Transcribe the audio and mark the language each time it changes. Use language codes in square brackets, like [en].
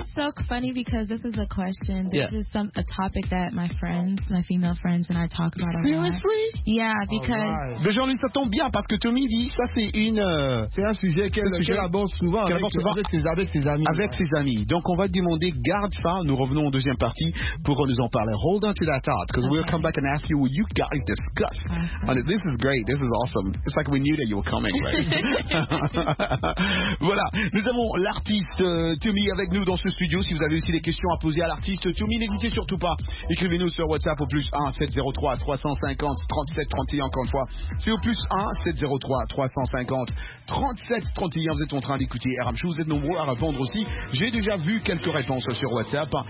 [en] It's so funny because this is a question. This is a topic that my female friends and I talk about a lot. Seriously? Yeah, because... Right. [fr] Mais Jean-Louis, ça tombe bien parce que Tommy dit, ça c'est une... C'est un sujet qu'elle aborde souvent avec ses amis. Donc on va te demander, garde ça, nous revenons en deuxième partie pour nous en parler. [en] Hold on to that thought, because we'll come back and ask you what you guys discuss. Awesome. This is great, this is awesome. It's like we knew that you were coming, right? [fr] Voilà, nous avons l'artiste Tommy avec nous dans ce studio. Si vous avez aussi des questions à poser à l'artiste Tommy, n'hésitez surtout pas. Écrivez-nous sur WhatsApp au +1 703 350 37 31. Encore une fois, c'est au +1 703 350 37 31. Vous êtes en train d'écouter RM Show. Vous êtes nombreux à répondre aussi. J'ai déjà vu quelques réponses sur WhatsApp.